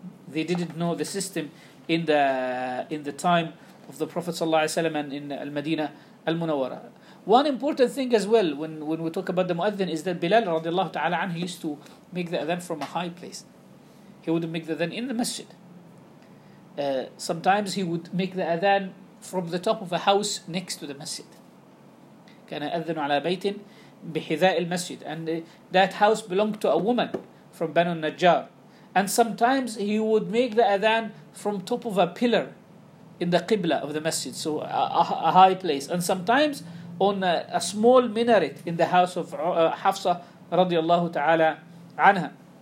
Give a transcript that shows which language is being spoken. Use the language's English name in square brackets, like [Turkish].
[English] They didn't know the system in the time of the Prophet sallallahu alaihi wasallam and in Al-Madinah Al-Munawwara. One important thing as well, when we talk about the Muadhin, is that Bilal radiallahu ta'ala anhu, he used to make the adhan from a high place. He would make the adhan in the masjid. Sometimes he would make the adhan from the top of a house next to the masjid. [Arabic] كان أذن على بيت بحذاء المسجد. [English] And that house belonged to a woman from Banu Najjar. And sometimes he would make the adhan from top of a pillar in the qibla of the masjid. So a high place. And sometimes on a small minaret in the house of Hafsa radiallahu ta'ala anha.